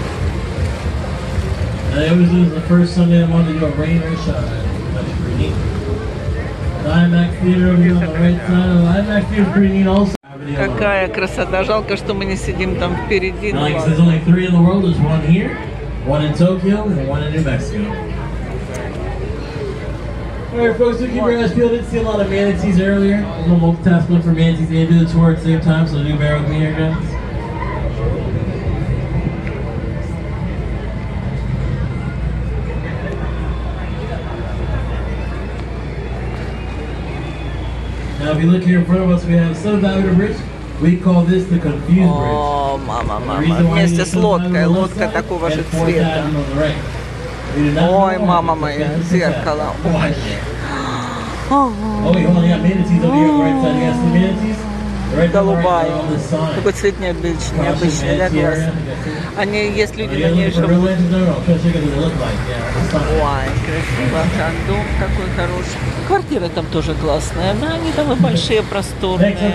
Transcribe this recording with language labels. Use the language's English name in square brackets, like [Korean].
[English] It was the first Sunday I wanted to do a rain or shine. That's pretty neat. The IMAX Theater over here on the right side. The IMAX Theater is pretty neat also. [Russian] Какая красота. Жалко, что мы не сидим там впереди. [English] Now, like, there's only three in the world. There's one here, one in Tokyo, and one in New Mexico. Alright folks, looking for us, people didn't see a lot of manatees earlier. A little multitasking for manatees. They did the tour at the same time, so do bear with me here, guys. Now, if you look here in front of us, we have Seventh Avenue Bridge. We call this the Confused Bridge. [Russian] Oh, mama, mama. Вместе с лодкой. Лодка такого же цвета. Ой, мама моя, зеркало. Ой. [English] Oh, you only got manatees over here on the right side. You got some manatees. [Russian] Голубая. Такой цвет необычный, необычный для глаз. Они есть люди, на ней живут. Ой, красиво. Там дом такой хороший. Квартира там тоже классная. Да, они там и большие, просторные.